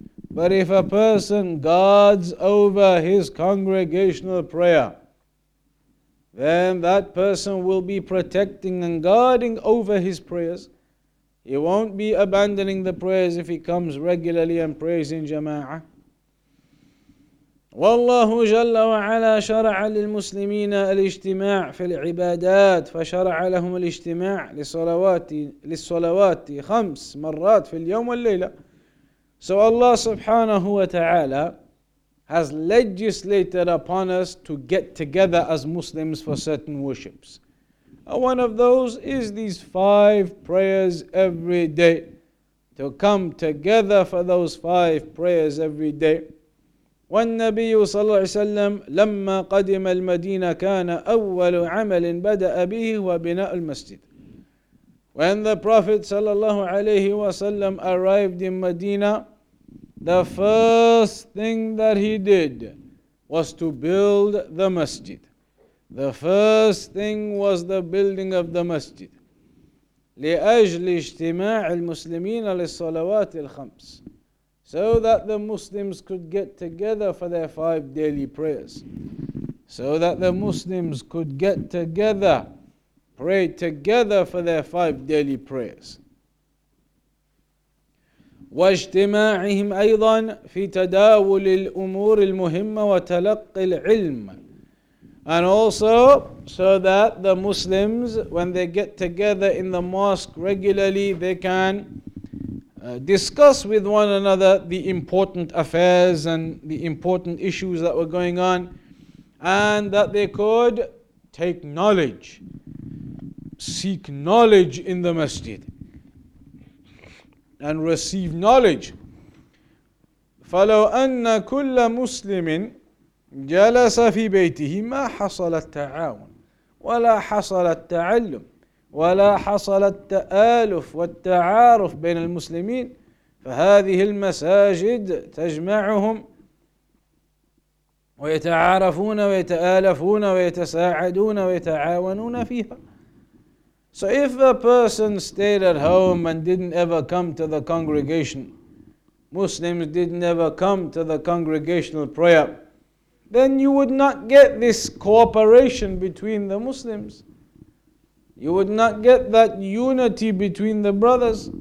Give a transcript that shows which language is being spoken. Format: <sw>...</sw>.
<en>But if a person guards over his congregational prayer, then that person will be protecting and guarding over his prayers. He won't be abandoning the prayers if he comes regularly and prays in jama'ah.</en> <ar>والله جل وعلا شرع للمسلمين الاجتماع في العبادات فشرع لهم الاجتماع للصلوات خمس مرات في اليوم والليلة.</ar> <en>So Allah subhanahu wa ta'ala has legislated upon us to get together as Muslims for certain worships. One of those is these five prayers every day. To come together for those five prayers every day.</en> <ar>والنبي صلى الله عليه وسلم لما قدم المدينة كان أول عمل بدأ به وبناء المسجد.</ar> <en>When the Prophet</en> <ar>صلى الله عليه وسلم</ar> <en>arrived in Medina, the first thing that he did was to build the masjid. The first thing was the building of the masjid.</en> <ar>لأجل اجتماع المسلمين للصلوات الخمس.</ar> <en>So that the Muslims could get together for their five daily prayers. So that the Muslims could get together, pray together for their five daily prayers.</en> <ar>واجتماعهم أيضا في تداول الأمور المهمة وتلقي العلم.</ar> <en>And also so that the Muslims, when they get together in the mosque regularly, they can discuss with one another the important affairs and the important issues that were going on, and that they could take knowledge, seek knowledge in the masjid, and receive knowledge.</en> <ar>فَلَوْ أَنَّ كُلَّ مُسْلِمٍ جَلَسَ فِي بَيْتِهِ مَا حَصَلَ التَّعَاوُنُ وَلَا حَصَلَ التَّعَلُّمُ ولا حصل التآلف والتعارف بين المسلمين فهذه المساجد تجمعهم ويتعارفون ويتآلفون ويتساعدون ويتعاونون فيها.</ar> <en>So if a person stayed at home and didn't ever come to the congregation, Muslims didn't ever come to the congregational prayer, then you would not get this cooperation between the Muslims. You would not get that unity between the brothers.</en>